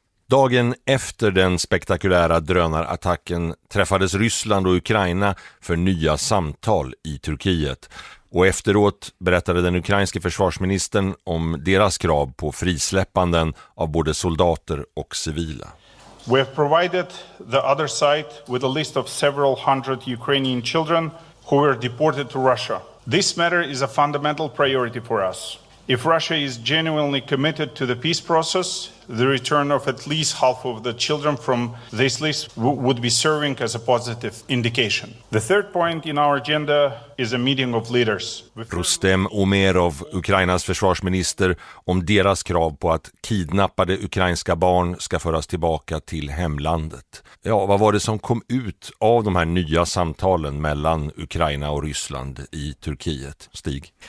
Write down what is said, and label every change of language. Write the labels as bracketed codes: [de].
[sv] Dagen efter den spektakulära drönarattacken träffades Ryssland och Ukraina för nya samtal i Turkiet. Och efteråt berättade den ukrainske försvarsministern om deras krav på frisläppanden av både soldater och civila. [en] We have provided the other side with a list of several hundred Ukrainian children who were deported to Russia. This matter is a fundamental priority for us. If Russia is genuinely committed to the peace process, the return of at least half of the children from this list would be serving as a positive indication. The third point in our agenda is a meeting of leaders. [sv] Rustem Umerov, Ukrainas försvarsminister, om deras krav på att kidnappade ukrainska barn ska föras tillbaka till hemlandet. Ja, vad var det som kom ut av de här nya samtalen mellan Ukraina och Ryssland i Turkiet, Stig?